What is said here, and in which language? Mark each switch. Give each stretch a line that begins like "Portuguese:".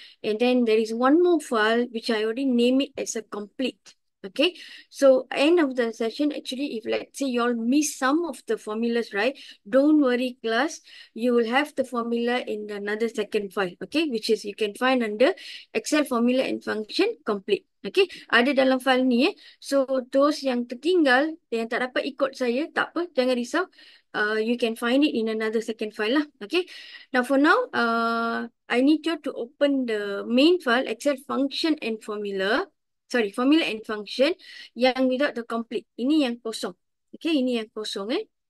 English: And then there is one more file which I already named it as a complete. Okay, so end of the session, actually, if let's say you all miss some of the formulas, right? Don't worry, class. You will have the formula in another second file, okay? Which is you can find under Excel formula and function complete, okay?
Malay: Ada dalam file ni, eh?
English: So those
Malay: yang tertinggal, yang tak dapat ikut saya, tak apa, jangan risau.
English: You can find it in another second file
Malay: lah,
English: okay? Now for now, I need you to open the main file, Excel function and formula. Sorry, formula and function yang without the complete.
Malay: Ini yang kosong. Okay, ini yang kosong eh.